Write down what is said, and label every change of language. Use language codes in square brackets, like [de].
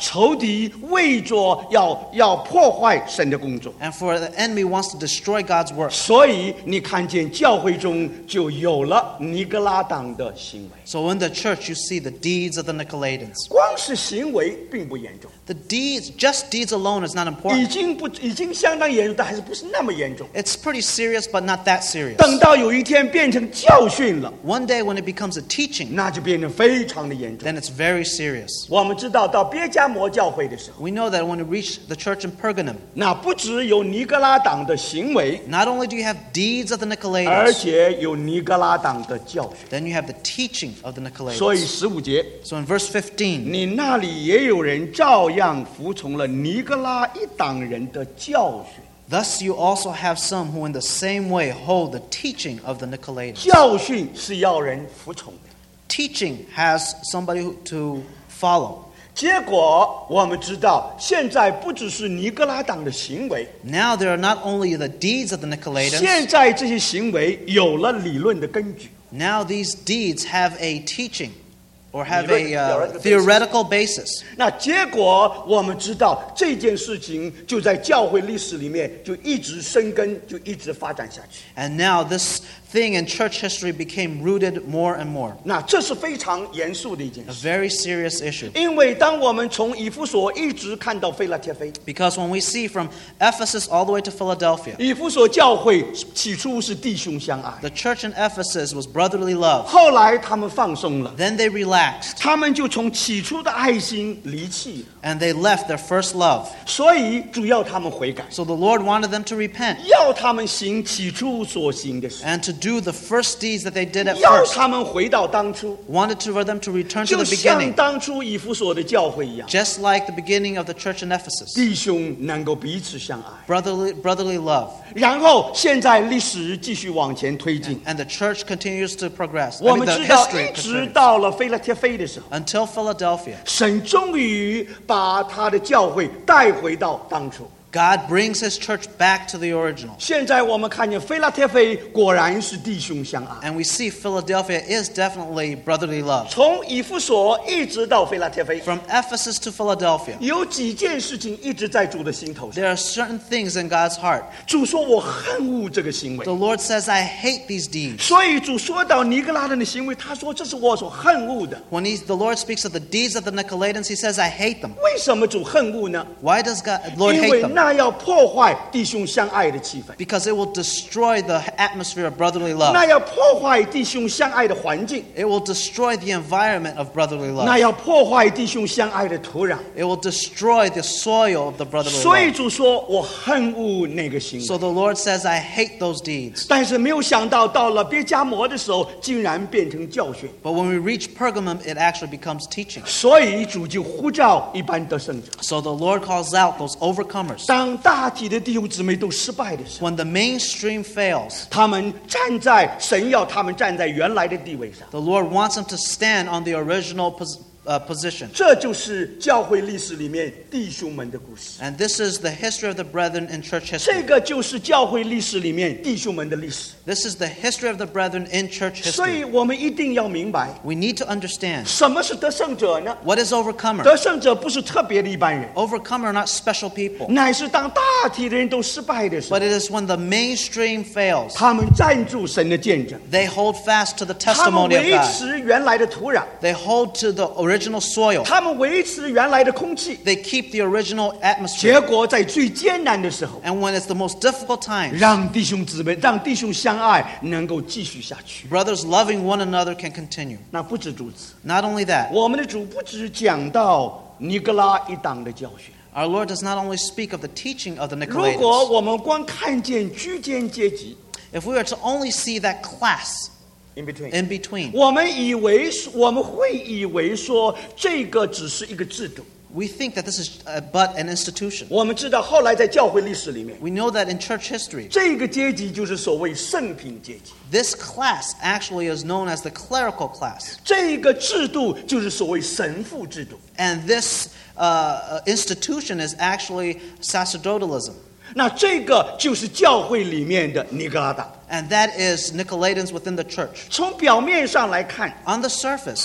[zh] 仇敌为着要破坏神的工作 [en] And for the enemy wants to destroy God's work. [zh] 所以你看见教会中就有了尼格拉党的行为 [en] So in the church you see the deeds of the Nicolaitans. [zh] 光是行为并不严重 [en] The deeds, just deeds alone is not important. [zh] 已经相当严重，但还是不是那么严重。 [en] It's pretty serious, but not that serious. [zh] 等到有一天变成教训了 [en] ，One day when it becomes a teaching， [zh] 那就变得非常的严重。 [en] Then it's very serious. [zh] 我们知道到别加摩教会的时候 [en] ，We know that when it reached the church in Pergamum， [zh] 那不只有尼格拉党的行为 [en] ，Not only do you have deeds of the Nicolaitans， [zh] 而且有尼格拉党的教训。 [en] Then you have the teaching of the Nicolaitans. [zh] 所以十五节 [en] ，So in verse 15， [zh] 你那里也有人照样服从了尼格拉一党人。 [en] Thus you also have some who in the same way hold the teaching of the Nicolaitans. [zh] 教训是要人服从的。 [en] Teaching has somebody to follow. [zh] 结果我们知道现在不只是尼格拉党的行为。 [en] Now there are not only the deeds of the Nicolaitans. [zh] 现在这些行为有了理论的根据。 [en] Now these deeds have a teaching. Or have a theoretical basis. [zh] 那结果我们知道这件事情就在教会历史里面就一直生根，就一直发展下去。 [en] And now this thing in church history became rooted more and more. [zh] 那这是非常严肃的一件事。 [en] A very serious issue. [zh] 因为当我们从以弗所一直看到腓拉帖腓。 [en] Because when we see from Ephesus all the way to Philadelphia. [zh] 以弗所教会起初是弟兄相爱。 [en] The church in Ephesus was brotherly love. [zh] 后来他们放松了。 [en] Then they relaxed. [zh] 他们就从起初的爱心离弃。 [en] And they left their first love. [zh] 所以主要他们悔改。 [en] So the Lord wanted them to repent. [zh] 要他们行起初所行的事。 [en] And to do the first deeds that they did at first. Wanted to, for them to return to the beginning. [zh] 就像当初以弗所的教会一样。 [en] Just like the beginning of the church in Ephesus. [zh] 弟兄能够彼此相爱。 [en] Brotherly love. [zh] 然后现在历史继续往前推进。 [en] And the church continues to progress. [zh] 我们知道一直到了腓拉帖腓的时候。 [en] Until Philadelphia. [zh] 神终于把他的教会带回到当初。 [en] God brings his church back to the original. [zh] 现在我们看见腓拉帖腓果然是弟兄相爱。 [en] And we see Philadelphia is definitely brotherly love. [zh] 从以弗所一直到腓拉帖腓。 [en] From Ephesus to Philadelphia. [zh] 有几件事情一直在主的心头上。 [en] There are certain things in God's heart. [zh] 主说我恨恶这个行为。 [en] The Lord says I hate these deeds. [zh] 所以主说到尼格拉人的行为，他说这是我所恨恶的。 [en] When the Lord speaks of the deeds of the Nicolaitans, he says I hate them. [zh] 为什么主恨恶呢？ [en] Why does Lord hate them? [zh] 那要破坏弟兄相爱的气氛。 [en] Because it will destroy the atmosphere of brotherly love. [zh] 那要破坏弟兄相爱的环境。 [en] It will destroy the environment of brotherly love. [zh] 那要破坏弟兄相爱的土壤。 [en] It will destroy the soil of the brotherly love. [zh] 所以主说我恨恶那个行为。 [en] So the Lord says I hate those deeds. [zh] 但是没有想到到了别加摩的时候竟然变成教训。 [en] But when we reach Pergamum, it actually becomes teaching. [zh] 所以主就呼召一般得胜者。 [en] So the Lord calls out those overcomers. [zh] 当大体的弟兄姊妹都失败的时候 [en] When the mainstream fails, [zh] 他们站在神要他们站在原来的地位上 [en] The Lord wants them to stand on the original position [zh] 这就是教会历史里面弟兄们的故事 [en] And this is the history of the brethren in church history [zh] 这个就是教会历史里面弟兄们的历史 [en] This is the history of the brethren in church history [zh] 所以我们一定要明白 [en] We need to understand [zh] 什么是得胜者呢 [en] What is overcomer [zh] 得胜者不是特别的一般人 [en] Overcomer are not special people [zh] 乃是当大体的人都失败的时候 [en] But it is when the mainstream fails [zh] 他们站住神的见证 [en] They hold fast to the testimony of God [zh] 他们维持原来的土壤 [en] They hold to the original soil [zh] 他们维持原来的空气 [en] They keep the original atmosphere [zh] 结果在最艰难的时候 [en] And when it's the most difficult times [zh] 让弟兄姊妹让弟兄相爱能够继续下去 [en] Brothers loving one another can continue [zh] 那不止如此 [en] Not only that [zh] 我们的主不止讲到尼格拉一党的教训 [en] Our Lord does not only speak of the teaching of the Nicolaitans [zh] 如果我们光看见居间阶级 [en] If we were to only see that classIn between. [zh] 我们以为我们会以为说这个只是一个制度。 [en] We think that this is but an institution. [zh] 我们知道后来在教会历史里面。 [en] We know that in church history. [zh] 这个阶级就是所谓圣品阶级。 [en] This class actually is known as the clerical class. [zh] 这个制度就是所谓神父制度。 [en] And this institution is actually sacerdotalism. [zh] 那这个就是教会里面的尼格拉党。 [en] And that is Nicolaitans within the church. [zh] 从表面上来看 [en] On the surface,